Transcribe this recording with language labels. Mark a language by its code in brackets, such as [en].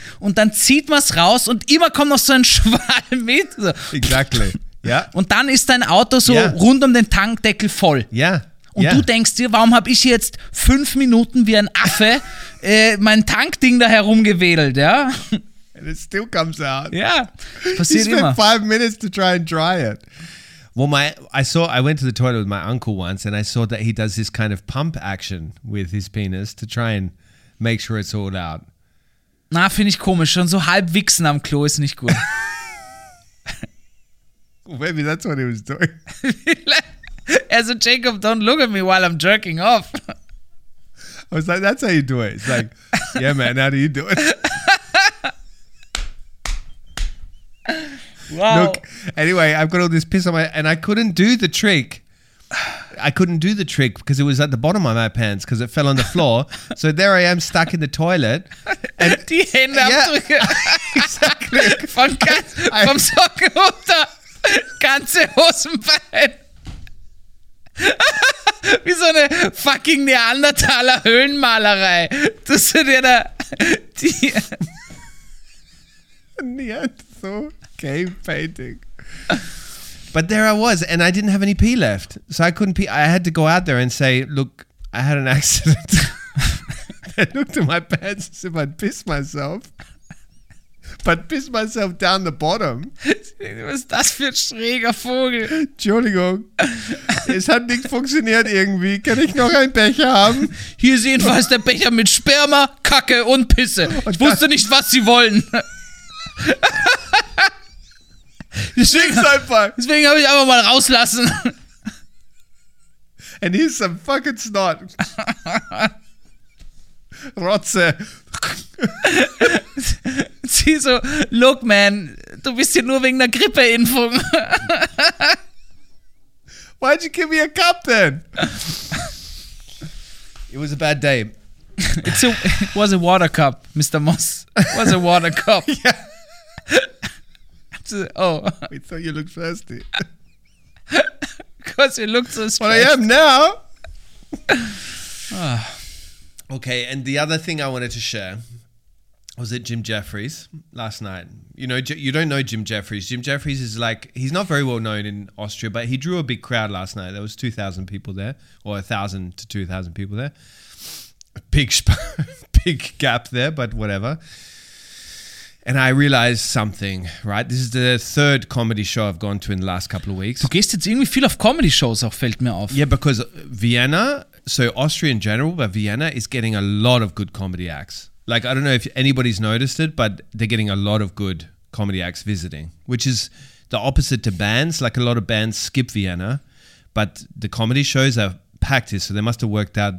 [de] Und dann zieht man es raus und immer kommt noch so ein Schwall mit. So. [en] Exactly. Yeah. [de] Und dann ist dein Auto so rund um den Tankdeckel voll. Ja. Yeah. Und du denkst dir, warum habe ich jetzt 5 Minuten wie ein Affe mein Tankding da herumgewedelt, ja? [en] And it still comes out. [de] Ja, passiert immer. [en] You spent 5 minutes to try and dry it. Well, I went to the toilet with my uncle once and I saw that he does this kind of pump action with his penis to try and make sure it's all out. [de] Na, finde ich komisch. Schon so halb wichsen am Klo ist nicht gut. [en] Well, maybe that's what he was doing. As a Jacob, don't look at me while I'm jerking off. I was like, that's how you do it. It's like, yeah, man, how do you do it? Wow. Look, anyway, I've got all this piss on my... And I couldn't do the trick. I couldn't do the trick because it was at the bottom of my pants because it fell on the floor. So there I am stuck in the toilet. [de] And die Hände [en] exactly. [de] Vom Socken runter. Ganze Hosenbein. Wie so eine fucking Neandertaler Höhlenmalerei. Dass du dir da die [en] Neandertaler Cave Painting. But there I was and I didn't have any pee left. So I couldn't pee. I had to go out there and say, look, I had an accident. I looked at my pants as if I'd pissed myself. But pissed myself down the bottom. [de] Was ist das für ein schräger Vogel? Entschuldigung. Es hat nicht funktioniert irgendwie. Kann ich noch einen Becher haben? Hier ist jedenfalls der Becher mit Sperma, Kacke und Pisse. Ich wusste nicht, was sie wollen. Schick's einfach. Deswegen habe ich einfach mal rauslassen. [en] And he's a fucking snot. [de] Rotze. Sie so, [en] look man, [de] du bist hier nur wegen der Grippeimpfung. [en] Why'd you give me a cup then? It was a bad day. It was a water cup, Mr. Moss. It was a water cup. Yeah. Oh. We thought you looked thirsty. Because you looked so stressed. Well, I am now. Okay, and the other thing I wanted to share was at Jim Jefferies last night. You know, you don't know Jim Jefferies. Jim Jefferies is like, he's not very well known in Austria, but he drew a big crowd last night. There was 2,000 people there, or 1,000 to 2,000 people there. Big gap there, but whatever. And I realized something, right? This is the third comedy show I've gone to in the last couple of weeks. [de] Du gehst jetzt irgendwie viel auf comedy shows, auch fällt mir auf. [en] Yeah, because Vienna, so Austria in general, but Vienna is getting a lot of good comedy acts. Like, I don't know if anybody's noticed it, but they're getting a lot of good comedy acts visiting, which is the opposite to bands. Like, a lot of bands skip Vienna, but the comedy shows are packed here, so they must have worked out.